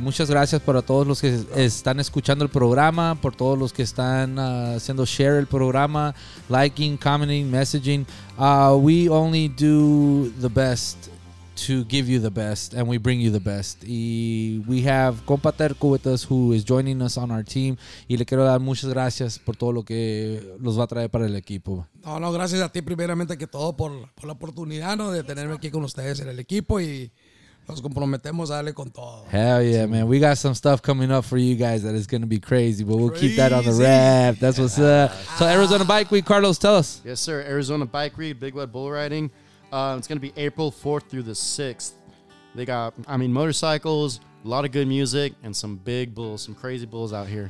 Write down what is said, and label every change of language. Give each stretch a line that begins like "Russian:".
Spanish: Muchas gracias para todos los que están escuchando el programa, por todos los que están haciendo share el programa, liking, commenting, messaging.
English: We only do the best to give you the best, and we bring you the best. Y we have Compa Terco with us, who is joining us on our team.
Spanish: Y le quiero dar muchas gracias por todo lo que los va a traer para el equipo. No, gracias a ti primeramente que todo por la oportunidad, ¿no?, de tenerme aquí con ustedes en el equipo. Y Nos comprometemos a darle con todo.
English: Hell yeah, man. We got some stuff coming up for you guys that is going to be crazy, but we'll keep that on the wrap. That's what's up. So Arizona Bike Week, Carlos, tell us. Yes, sir. Arizona Bike Week, Big Wet Bull Riding. It's going to be April 4th through the 6th. They got, I mean, motorcycles, a lot of good music, and some big bulls, some crazy bulls out here.